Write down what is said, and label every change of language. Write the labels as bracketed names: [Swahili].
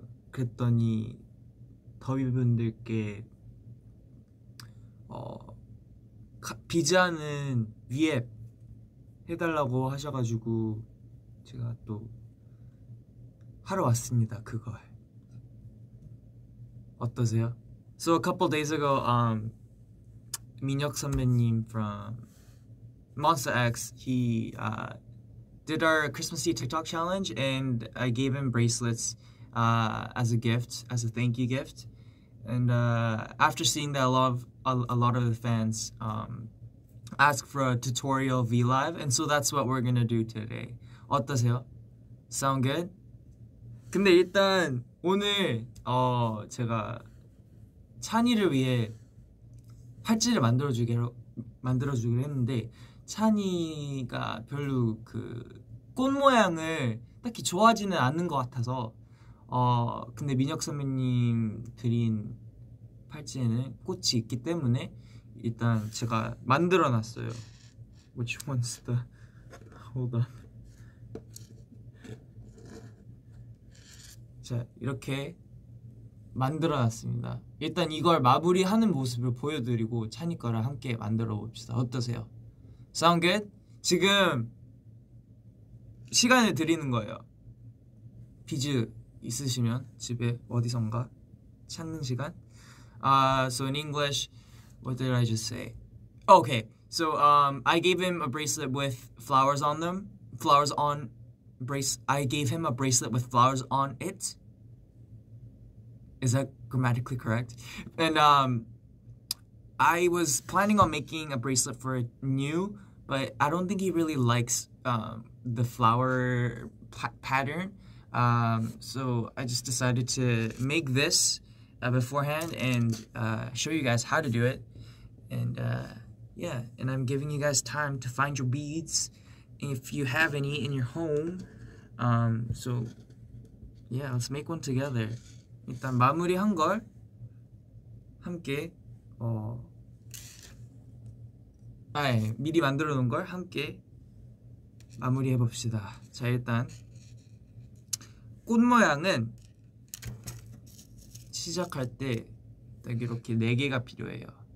[Korean] 그랬더니 더비분들께 비즈하는 위앱 해달라고 하셔가지고 제가 또 하러 왔습니다, 그걸. 어떠세요? [English] So a couple days ago, Minhyuk 선배님 from Monsta X, he did our Christmas Eve TikTok challenge, and I gave him bracelets as a gift, as a thank you gift. And after seeing that, a lot of the fans ask for a tutorial V Live, and so that's what we're gonna do today. [Korean] 어떠세요? [English] Sound good? [Korean] 근데 일단 오늘 제가 찬이를 위해 팔찌를 만들어주기로 했는데 찬이가 별로 그꽃 모양을 딱히 좋아하지는 않는 것 같아서 근데 민혁 선배님 드린 팔찌에는 꽃이 있기 때문에 일단 제가 만들어놨어요. [English] Which one's the? Hold on. [Korean] 자, 이렇게 만들어놨습니다. 일단 이걸 마무리하는 모습을 보여드리고 찬이 거를 함께 만들어 봅시다. 어떠세요? [English] Sound good? [Korean] 지금 시간을 드리는 거예요. 비즈 있으시면 집에 어디선가 찾는 시간. [English] So in English, what did I just say? Okay, so I gave him a bracelet with flowers on them. Flowers on brace. I gave him a bracelet with flowers on it. Is that grammatically correct? And I was planning on making a bracelet for Niu, but I don't think he really likes the flower pattern. So I just decided to make this beforehand and show you guys how to do it. And yeah, and I'm giving you guys time to find your beads if you have any in your home. So yeah, let's make one together. [Korean] 일단 마무리한 걸 함께 미리 만들어 놓은 걸 함께 마무리해 봅시다. 자, 일단 꽃 모양은 시작할 때딱 이렇게 네 개가 필요해요.